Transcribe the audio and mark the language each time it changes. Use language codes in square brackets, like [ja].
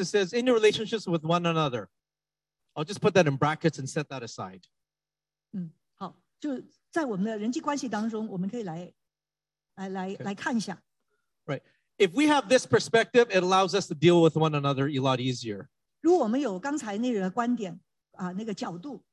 [en] It says, in your relationships with one another. I'll just put that in brackets and set that aside. [zh] 嗯,好,就在我们的人际关系当中,我们可以来看一下。 [en] Right. If we have this perspective, it allows us to deal with one another a lot easier. [zh] 如果我们有刚才那个观点,那个角度,